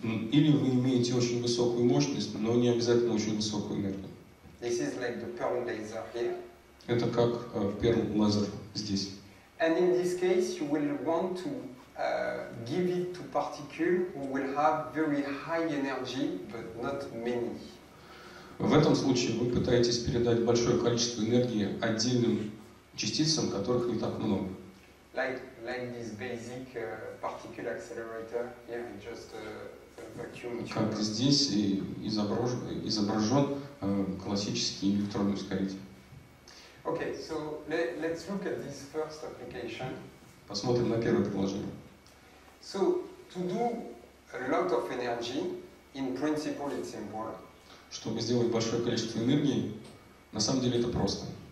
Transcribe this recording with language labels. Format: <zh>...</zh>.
<ru>Или вы имеете очень высокую мощность, но не обязательно очень высокую энергию.</ru> <en>This is like the Perm laser here.</en> <ru>Это как Perm laser здесь.</ru> <en>And in this case you will want to give it to particles who will have very high energy, but not many.</en> <ru>В этом случае вы пытаетесь передать большое количество энергии отдельным частицам, которых не так много.</ru> <en>Like this basic particle accelerator, yeah, just a vacuum.</en> <ru>Как здесь изображен классический электронный ускоритель.</ru> <en>Okay, so let's look at this first application.</en> <ru>Посмотрим на первое приложение.</ru> <en>So to do a lot of energy, in principle, it's simple.</en> <ru>Чтобы сделать большое количество энергии, на самом деле это просто.</ru>